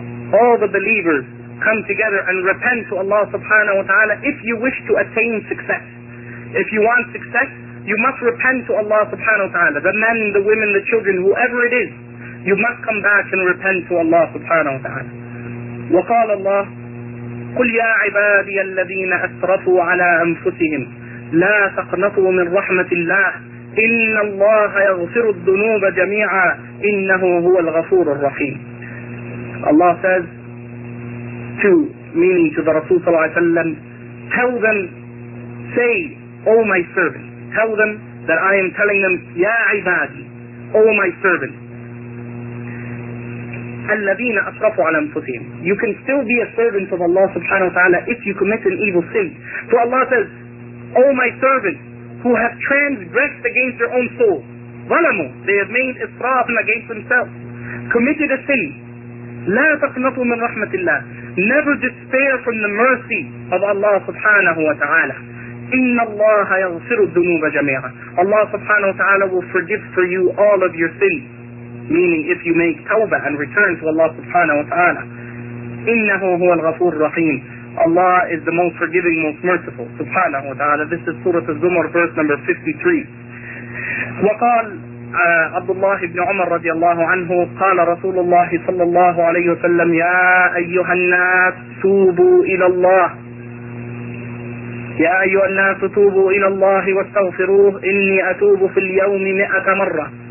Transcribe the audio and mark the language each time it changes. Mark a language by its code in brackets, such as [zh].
[en] All the believers come together and repent to Allah subhanahu wa ta'ala if you wish to attain success. If you want success, you must repent to Allah subhanahu wa ta'ala. The men, the women, the children, whoever it is, you must come back and repent to Allah subhanahu wa ta'ala. [ar] وقال الله قل يا عبادي الذين أسرفوا على أنفسهم لا تقنطوا من رحمة الله إن الله يغفر الذنوب جميعا إنه هو الغفور الرحيم. [en] Allah says to, meaning to the Rasul صلى الله عليه وسلم, tell them, say, O my servant, tell them that I am telling them, [ar] يا عبادي, [en] O my servant, [ar] الَّذِينَ أَصْرَفُوا عَلَى أَنفُسِهِمْ. [en] You can still be a servant of Allah subhanahu wa ta'ala if you commit an evil sin. So Allah says, O my servants who have transgressed against their own soul. [ar] ظَلَمُوا. [en] They have made israf against themselves. Committed a sin. [ar] لَا تَقْنَطُوا مِنْ رَحْمَةِ اللَّهِ. [en] Never despair from the mercy of Allah subhanahu wa ta'ala. [ar] إِنَّ اللَّهَ يَغْفِرُ الذُّنُوبَ جَمِيعًا. [en] Allah subhanahu wa ta'ala will forgive for you all of your sins. Meaning if you make tawbah and return to Allah subhanahu wa ta'ala. [ar] إِنَّهُ هُوَ الْغَفُورُ الرَّحِيمُ. [en] Allah is the most forgiving, most merciful. Subhanahu wa ta'ala. This is Surah Az-Zumar, verse number 53. [ar] وقال [en] Abdullah ibn Umar radiallahu anhu, [ar] قال رسول الله صلى الله عليه وسلم, يا أيها الناس توبوا إلى الله. يا أيها الناس توبوا إلى الله واستغفروه إني أتوب في اليوم 100 مرة.